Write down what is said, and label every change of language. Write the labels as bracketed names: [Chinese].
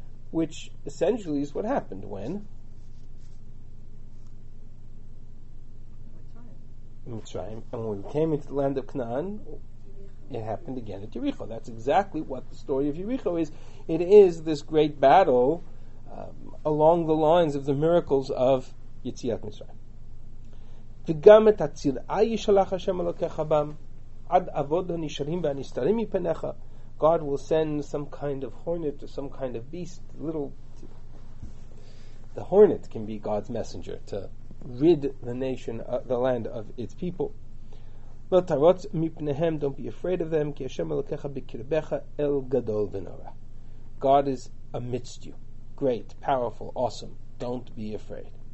[English] Which essentially is what happened when Mitzrayim, and when we came into the land of Canaan, it happened again at Yericho. That's exactly what the story of Yericho is. It is this great battle along the lines of the miracles of Yitziyat Mitzrayim. [Hebrew] וגם את הצירה ישלח השם אלוקיך בם עד עבוד הנשארים והנסתרים מפניך. [English] God will send some kind of hornet or some kind of beast, the hornet can be God's messenger to rid the nation, the land of its people. [Hebrew] לא תרוץ מפניהם, [English] don't be afraid of them, [Hebrew] כי השם אלוקיך בקרבך אל גדול ונורא. [English] God is amidst you, great, powerful, awesome, don't be afraid.